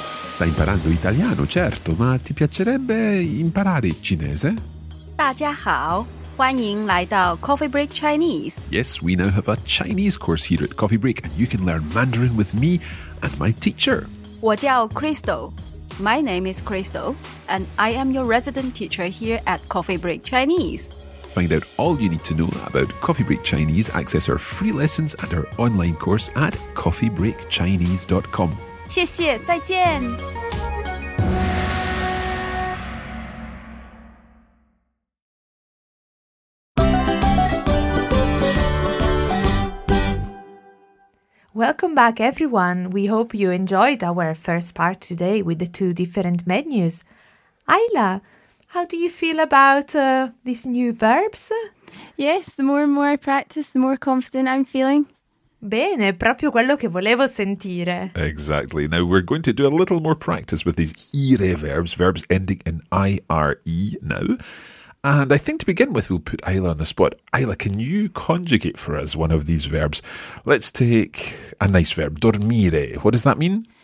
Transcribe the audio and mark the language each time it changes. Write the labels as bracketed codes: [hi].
[it] Stai imparando italiano, certo, ma ti piacerebbe imparare cinese? [zh] 大家好。欢迎来到 Coffee Break Chinese. [en] Yes, we now have a Chinese course here at Coffee Break, and you can learn Mandarin with me and my teacher. [zh] 我叫 Crystal. [en] My name is Crystal, and I am your resident teacher here at Coffee Break Chinese. Find out all you need to know about Coffee Break Chinese, access our free lessons and our online course at coffeebreakchinese.com. [zh] 谢谢,再见! [en] Welcome back, everyone. We hope you enjoyed our first part today with the two different menus. Ayla, how do you feel about these new verbs? Yes, the more and more I practice, the more confident I'm feeling. [it] Bene, proprio quello che volevo sentire. [en] Exactly. Now we're going to do a little more practice with these ire verbs, verbs ending in I-R-E now. And I think to begin with, we'll put Ayla on the spot. Ayla, can you conjugate for us one of these verbs? Let's take a nice verb, dormire. What does that mean?